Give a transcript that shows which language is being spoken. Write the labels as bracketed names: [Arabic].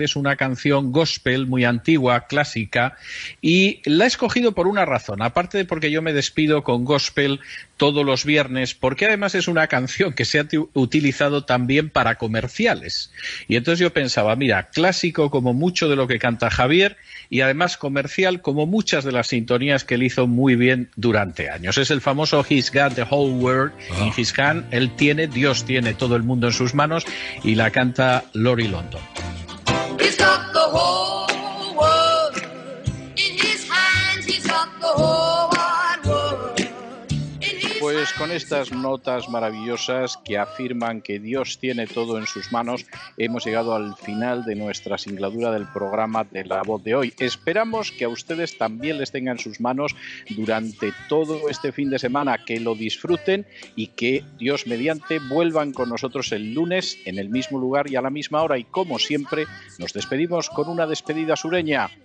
[Spanish] Es una canción gospel muy antigua, clásica, y la he escogido por una razón, aparte de porque yo me despido con gospel todos los viernes, porque además es una canción que se ha utilizado también para comerciales. Y entonces yo pensaba, mira, clásico como mucho de lo que canta Javier, y además comercial como muchas de las sintonías que él hizo muy bien durante años. Es el famoso [English] He's got the whole world in his hand. [Spanish] Él tiene, Dios tiene todo el mundo en sus manos, y la canta Lori London. [English] He's got the whole world in his hands, he's got the whole wide world. [Spanish] Pues con estas notas maravillosas que afirman que Dios tiene todo en sus manos, hemos llegado al final de nuestra singladura del programa de La Voz de Hoy. Esperamos que a ustedes también les tengan sus manos durante todo este fin de semana, que lo disfruten y que, Dios mediante, vuelvan con nosotros el lunes en el mismo lugar y a la misma hora. Y como siempre, nos despedimos con una despedida sureña.